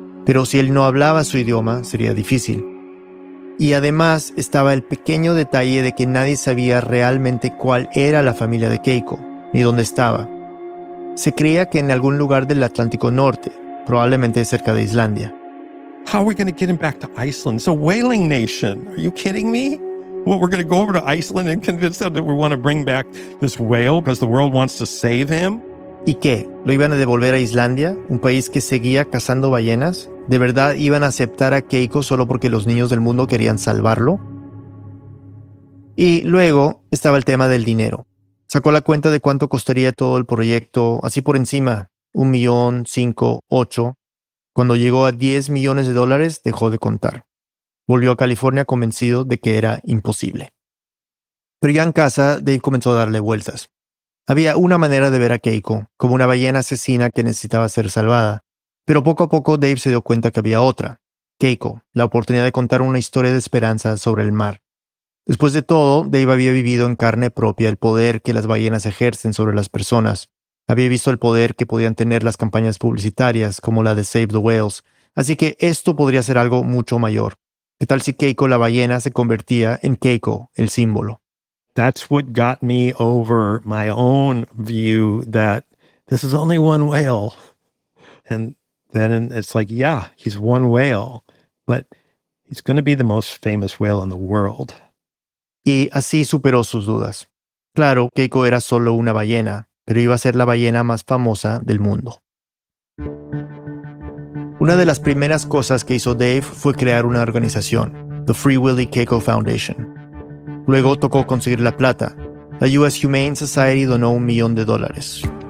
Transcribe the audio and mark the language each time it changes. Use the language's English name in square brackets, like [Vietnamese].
[Spanish] Pero si él no hablaba su idioma, sería difícil. Y además estaba el pequeño detalle de que nadie sabía realmente cuál era la familia de Keiko, ni dónde estaba. Se creía que en algún lugar del Atlántico Norte, probablemente cerca de Islandia. [English] How are we going to get him back to Iceland? It's a whaling nation. Are you kidding me? Well, we're going to go over to Iceland and convince them that we want to bring back this whale because the world wants to save him? [Spanish] ¿Y qué? ¿Lo iban a devolver a Islandia, un país que seguía cazando ballenas? ¿De verdad iban a aceptar a Keiko solo porque los niños del mundo querían salvarlo? Y luego estaba el tema del dinero. Sacó la cuenta de cuánto costaría todo el proyecto, así por encima, 1,000,000, 5, 8. Cuando llegó a 10 millones de dólares, dejó de contar. Volvió a California convencido de que era imposible. Pero ya en casa, Dave comenzó a darle vueltas. Había una manera de ver a Keiko, como una ballena asesina que necesitaba ser salvada. Pero poco a poco, Dave se dio cuenta que había otra. Keiko la oportunidad de contar una historia de esperanza sobre el mar. Después de todo, Dave había vivido en carne propia el poder que las ballenas ejercen sobre las personas. Había visto el poder que podían tener las campañas publicitarias, como la de Save the Whales. Así que esto podría ser algo mucho mayor. ¿Qué tal si Keiko la ballena se convertía en Keiko, el símbolo? [English] That's what got me over my own view that this is only one whale. And then it's like, yeah, he's one whale, but he's going to be the most famous whale in the world. [Spanish] Y así superó sus dudas. Claro, Keiko era solo una ballena, pero iba a ser la ballena más famosa del mundo. Una de las primeras cosas que hizo Dave fue crear una organización, The Free Willy Keiko Foundation. Luego tocó conseguir la plata. La US Humane Society donó $1,000,000.